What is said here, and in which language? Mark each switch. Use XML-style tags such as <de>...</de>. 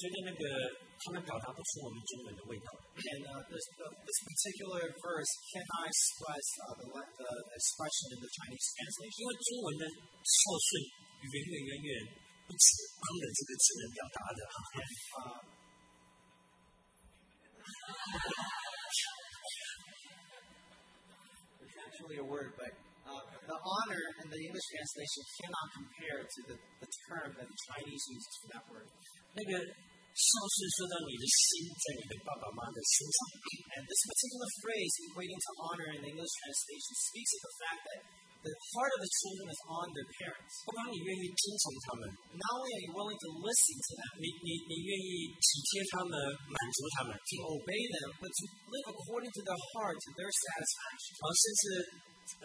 <zh>那个，这个我不知道为什么哈，我不是小看美国哈，我觉得那个他们表达不出我们中文的味道。And</zh> <en>this particular verse cannot express the expression in the Chinese translation.</en> <zh>因为中文的受训远远远不止"honor"这个词能表达的哈。It's</zh> <en>actually a word, but. The honor in the English translation cannot compare to the term that the Chinese uses for that word.</en> <zh>那个孝顺说到你的心在你的爸爸妈妈的身上。</zh> <en>And this particular phrase equating to honor in the English translation speaks of the fact that the heart of the children is on their parents.</en> <zh>不管你愿意听从他们,</zh> <en>not only are you willing to listen to them,</en> <zh>你愿意体贴他们，满足他们,</zh> <en>to obey them, but to live according to their heart, to their satisfaction.</en>